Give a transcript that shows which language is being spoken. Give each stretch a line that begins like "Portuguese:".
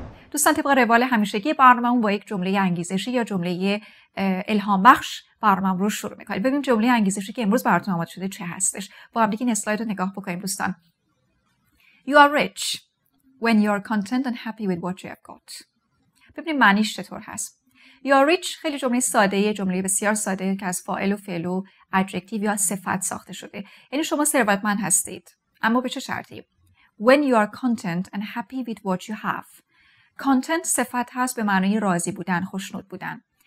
Persian: دوستان، طبق روال همیشگی برنامه با یک جمله انگیزشی یا جمله الهام بخش برنامه رو شروع میکنیم. ببینیم جمله انگیزشی که امروز براتون آماده شده چه هستش. با هم دیگه این اسلاید رو نگاه بکنیم دوستان.
English: You are rich when you are content and happy with what you have got.
Persian: ببینید معنیش چطور هست.
English: You are rich
Persian: خیلی جمله ساده ای، جمله بسیار ساده که از فاعل و فعل و ادجکتیو یا صفت ساخته شده. یعنی شما ثروتمند هستید. اما به چه شرطی؟
English: When you are content and happy with what you have.
Persian: Content صفت هست به معنی راضی بودن، خوشنود بودن.